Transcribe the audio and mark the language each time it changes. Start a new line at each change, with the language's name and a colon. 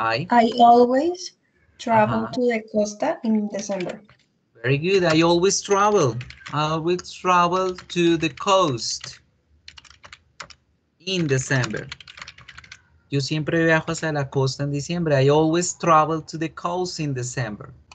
English: I always travel to the costa in December. Very good. I always travel. I always travel to the coast in December.
Spanish: Yo siempre viajo hacia la costa en diciembre.
English: I always travel to the coast in December.